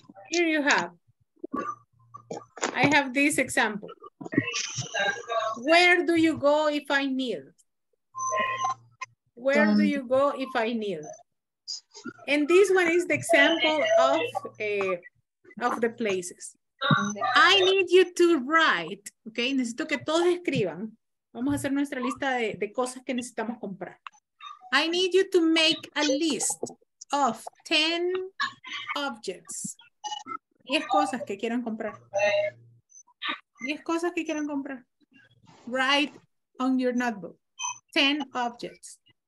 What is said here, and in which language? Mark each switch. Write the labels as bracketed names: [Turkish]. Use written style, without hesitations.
[English] Here you have. I have this example. Where do you go if I need? Where do you go if I need? And this one is the example of the places. I need you to write. Okay, [Spanish] necesito que todos escriban. Vamos a hacer nuestra lista de cosas que necesitamos comprar. [English] I need you to make a list of 10 objects. [Spanish] 10 cosas que quieran comprar. 10 cosas que quieran comprar. [English] Write on your notebook. 10 objects.